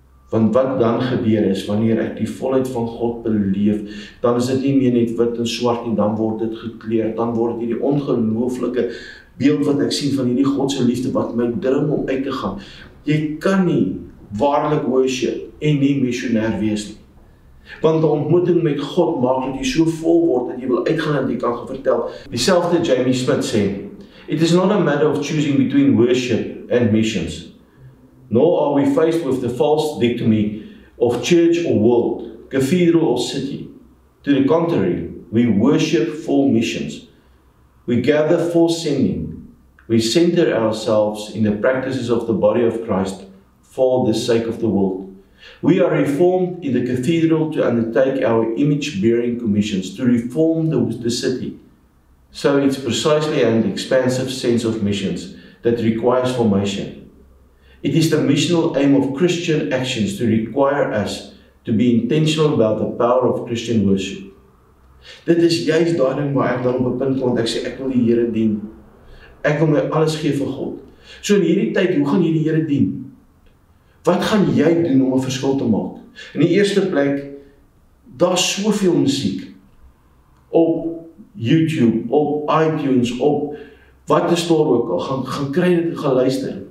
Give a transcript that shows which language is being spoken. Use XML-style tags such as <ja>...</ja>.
<af>Want wat dan gebeur is, wanneer ek die volheid van God beleef, dan is dit nie meer net wit en swart en dan word dit gekleerd, dan word dit hierdie ongelooflike beeld wat ek sien van hierdie Godse liefde wat my drum om uit te gaan. Jy kan nie waarlik worship en nie missionêr wees nie. Want die ontmoeting met God maak dat jy so vol word dat jy wil uitgaan en jy kan gaan vertel. Dieselfde Jamie Smith sê,</af> <en>"It is not a matter of choosing between worship and missions. Nor are we faced with the false dichotomy of church or world, cathedral or city. To the contrary, we worship for missions. We gather for sending. We center ourselves in the practices of the body of Christ for the sake of the world. We are reformed in the cathedral to undertake our image-bearing commissions, to reform the city. So it's precisely an expansive sense of missions that requires formation, It is the missional aim of Christian actions to require us to be intentional about the power of Christian worship.</en> <af>Dit is juist daarin waar ek dan op 'n punt kom, want ek sê ek wil die Here dien. Ek wil my alles gee vir God. So in hierdie tyd, hoe gaan jy die Here dien? Wat gaan jy doen om 'n verskil te maak? In die eerste plek, daar is soveel musiek op YouTube, op iTunes, op wat is daar ook al, gaan kry dit en gaan luister.</af>